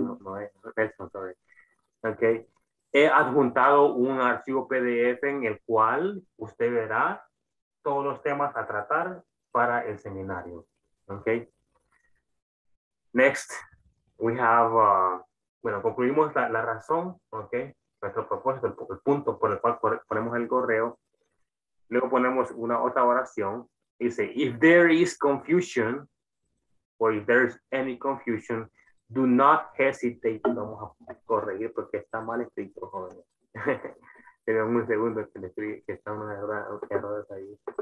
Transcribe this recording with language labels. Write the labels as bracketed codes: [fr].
[es] No es Nelson, sorry. Okay, he adjuntado un archivo PDF en el cual usted verá todos los temas a tratar para el seminario. Okay. [en] Next, we have, [es] concluimos la razón, okay, nuestro propósito, el punto por el cual ponemos el correo. Luego ponemos una otra oración. Dice, [en] if there is confusion, or if there is any confusion, do not hesitate. [es] Vamos a corregir porque está mal escrito, jóvenes. Tenemos un segundo que le escribí que está una error ahí.